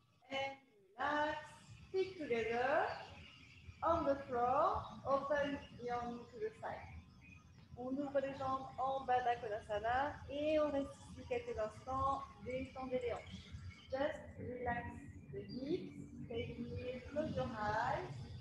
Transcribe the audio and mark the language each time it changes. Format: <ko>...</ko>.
<en>And relax, feet together on the floor, open your knee to the side.</en> <fr>On ouvre les jambes en Baddha Konasana et on reste ici quelques instants, descendez les hanches.</fr> <en>Just relax the hips, stay here, close your eyes.</en>